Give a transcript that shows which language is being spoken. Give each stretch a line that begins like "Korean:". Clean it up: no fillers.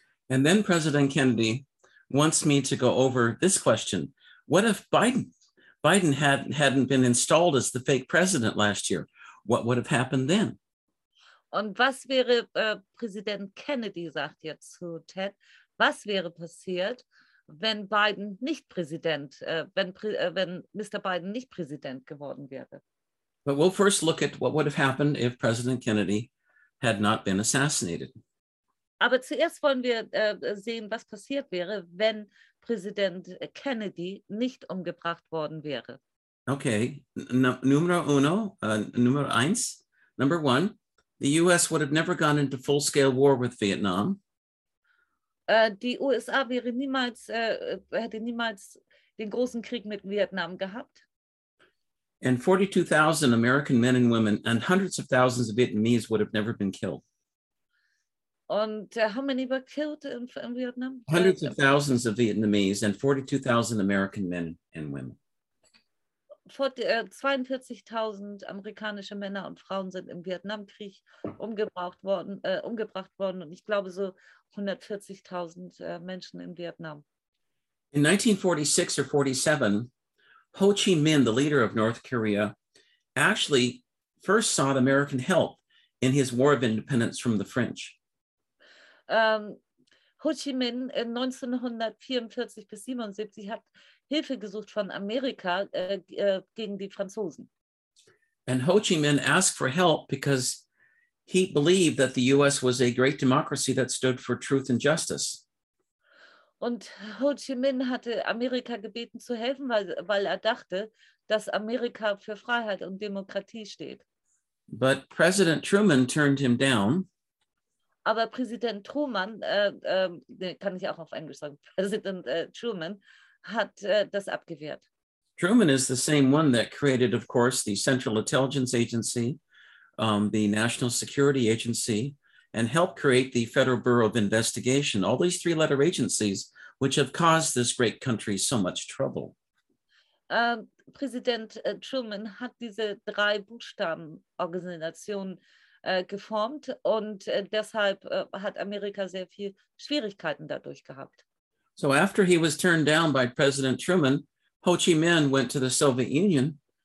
English: And then President Kennedy wants me to go over this question. What if Biden hadn't been installed as the fake president last year? What would have happened then?
German: Und was wäre Präsident Kennedy, sagt jetzt zu Ted, was wäre passiert, wenn Biden nicht Präsident, wenn Mr. Biden nicht Präsident geworden wäre?
English: But we'll first look at what would have happened if President Kennedy had not been assassinated.
German: Aber zuerst wollen wir sehen, was passiert wäre, wenn Präsident Kennedy nicht umgebracht worden wäre.
English: Okay, number one, the U.S. would have never gone into full-scale war with Vietnam.
German: Die USA wäre niemals, hätte niemals den großen Krieg mit Vietnam gehabt.
English: And 42,000 American men and women and hundreds of thousands of Vietnamese would have never been killed. Und how many were killed in Vietnam? Hundreds of thousands of Vietnamese and 42,000 American men and women.
German: 42,000 amerikanische Männer und Frauen sind im Vietnamkrieg umgebracht worden und ich glaube so 140,000 Menschen in Vietnam.
English: In 1946 or 47, Ho Chi Minh, the leader of North Korea, actually first sought American help in his war of independence from the French.
German: Ho Chi Minh in 1944 bis 77 hat Hilfe gesucht von Amerika gegen die Franzosen.
English: And Ho Chi Minh asked for help because he believed that the U.S. was a great democracy that stood for truth and justice.
German: Und Ho Chi Minh hatte Amerika gebeten zu helfen, weil er dachte, dass Amerika für Freiheit und Demokratie steht.
English: But President Truman turned him down.
German: Aber Präsident Truman, kann ich auch auf Englisch sagen, President Truman, hat das abgewehrt.
English: Truman is the same one that created, of course, the Central Intelligence Agency, the National Security Agency, and helped create the Federal Bureau of Investigation, all these three-letter agencies, which have caused this great country so much trouble.
German: Präsident Truman hat diese drei Buchstabenorganisationen geformt und deshalb hat Amerika sehr viel Schwierigkeiten dadurch gehabt.
English: So after he was turned down by President Truman, Ho Chi Minh went to the Soviet Union.